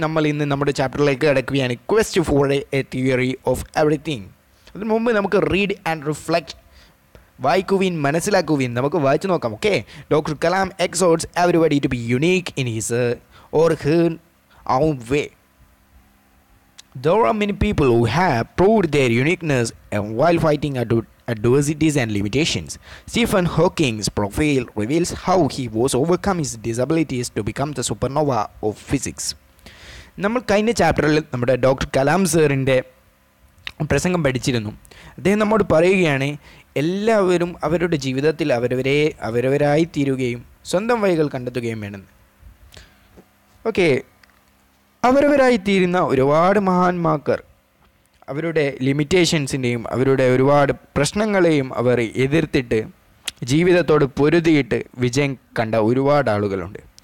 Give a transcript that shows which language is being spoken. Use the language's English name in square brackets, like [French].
[Malayalam] നമ്മൾ ഇന്ന് നമ്മുടെ ചാപ്റ്ററിലേക്ക് കടക്കുകയാണ്, [English] Quest for a theory of everything. [Malayalam] അതിന് മുമ്പ് നമുക്ക് [English] read and reflect, [Malayalam] വായിക്കുവീൻ മനസ്സിലാക്കുവീൻ, നമുക്ക് വായിച്ചു നോക്കാം. [English] Okay, doctor Kalam exhorts everybody to be unique in his or her own way. There are many people who have proved their uniqueness while fighting adversities and limitations. Stephen Hawking's profile reveals how he was overcome his disabilities to become the supernova of physics. [Malayalam] നമ്മൾ കഴിഞ്ഞ ചാപ്റ്ററിൽ നമ്മുടെ doctor Kalam സാറിൻ്റെ പ്രസംഗം പഠിച്ചിരുന്നു. അദ്ദേഹം നമ്മോട് പറയുകയാണ്, എല്ലാവരും അവരുടെ ജീവിതത്തിൽ അവരവരായി തീരുകയും സ്വന്തം വഴികൾ കണ്ടെത്തുകയും വേണമെന്ന്. ഓക്കെ, അവരവരായിത്തീരുന്ന ഒരുപാട് മഹാന്മാർക്ക് അവരുടെ ലിമിറ്റേഷൻസിൻ്റെയും അവരുടെ ഒരുപാട് പ്രശ്നങ്ങളെയും അവർ എതിർത്തിട്ട് ജീവിതത്തോട് പൊരുതിയിട്ട് വിജയം കണ്ട ഒരുപാട് ആളുകളുണ്ട്.